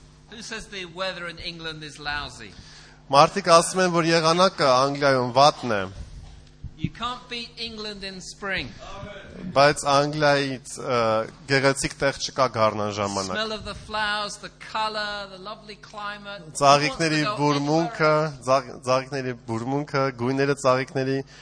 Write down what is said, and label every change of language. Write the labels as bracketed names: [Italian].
[English] Who says the weather in England is lousy? [Armenian] Մարդիկ ասում են, որ եղանակը Անգլիայում վատն է. [English] You can't beat England in spring. [Armenian] Բայց Անգլիայից գեղեցիկ տեղ չկա գարնան ժամանակ. [English] Smell of the flowers, the color, the lovely climate. [Armenian] Ծաղիկների բուրմունքը, ծաղիկների բուրմունքը, գույները ծաղիկների.